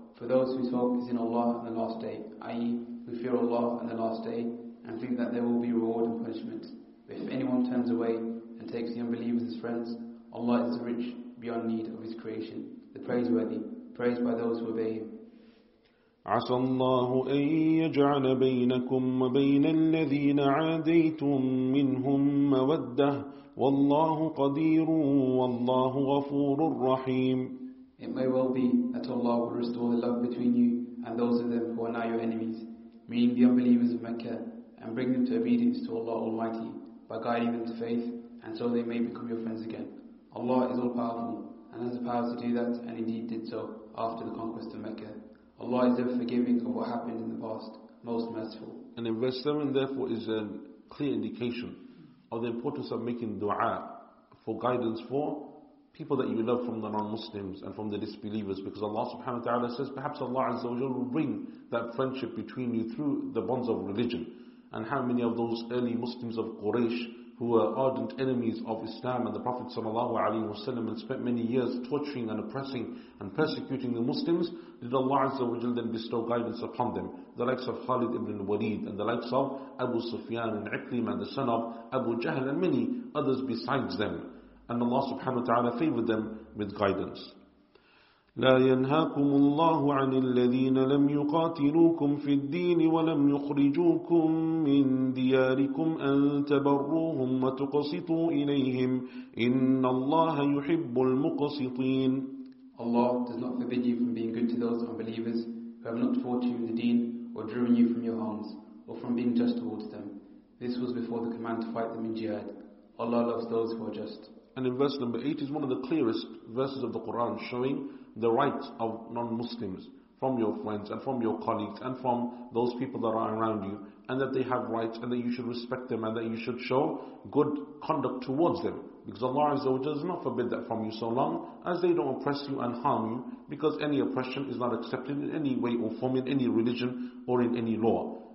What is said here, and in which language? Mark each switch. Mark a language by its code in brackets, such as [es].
[en] For those whose hope is in Allah and the last day, i.e. who fear Allah and the last day, and think that there will be reward and punishment. But if anyone turns away and takes the unbelievers as friends, Allah is rich beyond need of his creation, the praiseworthy, praised by those who obey him. [ar] عسى الله أن يجعل بينكم وبين الذين عاديتم منهم مودة والله قدير والله غفور رحيم. [en] It may well be that Allah will restore the love between you and those of them who are now your enemies, meaning the unbelievers of Mecca, and bring them to obedience to Allah Almighty by guiding them to faith, and so they may become your friends again. Allah is all powerful and has the power to do that, and indeed did so after the conquest of Mecca. Allah is ever forgiving of what happened in the past, most merciful. And in verse 7, therefore, is a clear indication of the importance of making dua for guidance for people that you love from the non-Muslims and from the disbelievers, because Allah subhanahu wa ta'ala says perhaps Allah azza wa jalla will bring that friendship between you through the bonds of religion. And how many of those early Muslims of Quraysh who were ardent enemies of Islam and the Prophet sallallahu alaihi wasallam and spent many years torturing and oppressing and persecuting the Muslims, did Allah azza wa jalla then bestow guidance upon them? The likes of Khalid ibn Walid and the likes of Abu Sufyan and Ikrim and the son of Abu Jahl and many others besides them. And Allah subhanahu wa ta'ala favored them with guidance. [ar] لا ينهاكم الله عن الذين لم يقاتلوكم في الدين ولم يخرجوكم من دياركم أن تبروهم وتقسطوا إليهم إن الله يحب المقسطين. [en] Allah does not forbid you from being good to those unbelievers who have not fought you in the deen or driven you from your homes or from being just towards them. This was before the command to fight them in jihad. Allah loves those who are just. And in verse number 8 is one of the clearest verses of the Quran showing the rights of non-Muslims from your friends and from your colleagues and from those people that are around you, and that they have rights and that you should respect them and that you should show good conduct towards them, because Allah Azza wa Jalla does not forbid that from you so long as they don't oppress you and harm you, because any oppression is not accepted in any way or form in any religion or in any law.